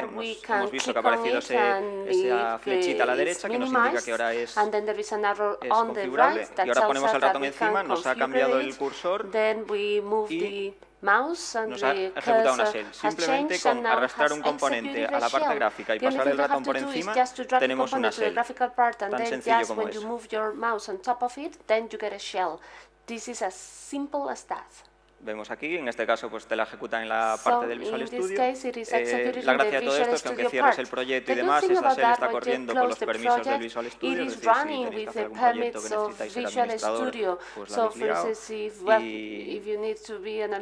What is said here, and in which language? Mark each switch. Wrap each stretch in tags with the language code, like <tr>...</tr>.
<es>Hemos visto que ha aparecido esa flechita a la derecha que nos indica que ahora es configurable, y ahora ponemos el ratón encima, nos ha cambiado el cursor</es> <en>y mouse and</en> <es>nos ha ejecutado una shell. Simplemente con arrastrar un componente a la parte gráfica y pasar el ratón por encima, tenemos una shell. Tan sencillo como eso.</es> <en>You move your mouse on top of it, then you get a shell. This is as simple as that.</en> <es>Vemos aquí, en este caso, pues te la ejecuta en la parte del Visual Studio.</es> <en>Case,</en> <es>la gracia de todo esto es que aunque cierres el proyecto y demás, esa shell está corriendo con los permisos del Visual Studio. Es decir, si tenéis que hacer algún proyecto que necesitáis ser administrador, pues la habéis liado.</es>